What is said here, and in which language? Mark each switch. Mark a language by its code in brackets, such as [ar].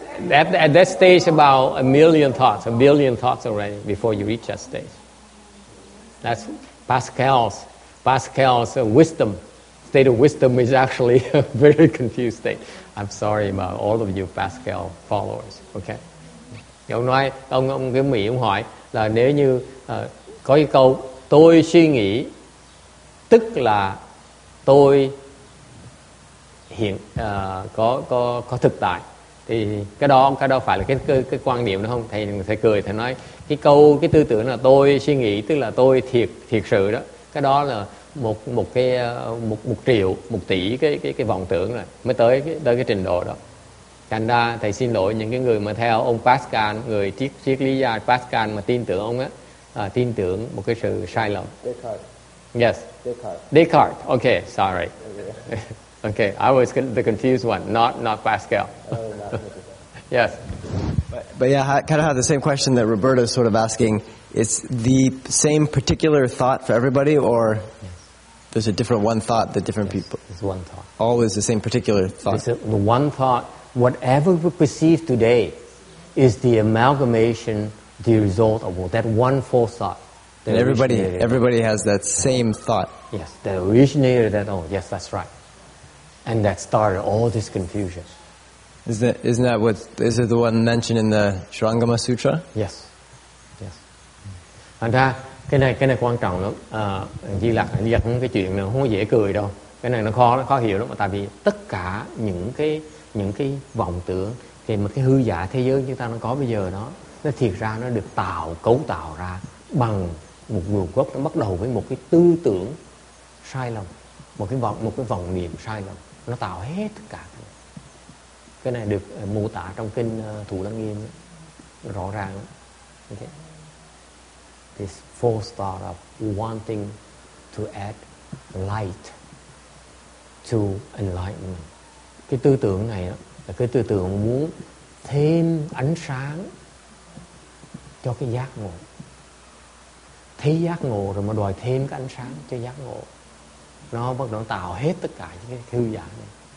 [en] At that stage, about a million thoughts already before you reach that stage. That's Pascal's wisdom. State of wisdom is actually a very confused state. I'm sorry about all of you Pascal followers. Okay. [vi] Ông nói, ông cái Mỹ ông hỏi là nếu như có cái câu tôi suy nghĩ tức là tôi hiện có thực tại. Thì cái đó phải là cái quan niệm đó không? Thầy cười, thầy nói cái tư tưởng là tôi suy nghĩ tức là tôi thiệt sự đó, cái đó là một triệu một tỷ cái vọng tưởng rồi mới tới cái trình độ đó. Thành ra thầy xin lỗi những cái người mà theo ông Pascal, người triết lý gia Pascal mà tin tưởng ông á, tin tưởng một cái sự sai lầm. [en] Descartes. Yes. Descartes. Okay, sorry. Okay, I was the confused one, not Pascal. Yes. But yeah, I kind of have the same question that Roberta is sort of asking. It's the same particular thought for everybody, or there's a different one thought that different people... It's one thought. Always the same particular thought. The one thought, whatever we perceive today, is the amalgamation, the result of all, that one false thought. And everybody has that same thought. Yes, the originator that, yes, that's right. And that started all this confusion. Is it the one mentioned in the Sharangama Sutra? Yes. Yes. [vi] Thành ra, cái này quan trọng lắm. Di lạc cái chuyện này không có dễ cười đâu. Cái này nó khó hiểu lắm. Tại vì tất cả những cái vọng tưởng, thì mà cái hư giả thế giới chúng ta nó có bây giờ đó, nó thiệt ra nó được cấu tạo ra bằng một nguồn gốc, nó bắt đầu với một cái tư tưởng sai lầm. Một cái vọng niệm sai lầm, nó tạo hết tất cả. Cái này được mô tả trong kinh Thủ Lăng Nghiêm rõ ràng. Okay. [en] this false thought of wanting to add light to enlightenment. [vi] Cái tư tưởng này đó, là cái tư tưởng muốn thêm ánh sáng cho cái giác ngộ. Thấy giác ngộ rồi mà đòi thêm cái ánh sáng cho giác ngộ. Nó bắt đầu tạo hết tất cả những cái thư giãn này.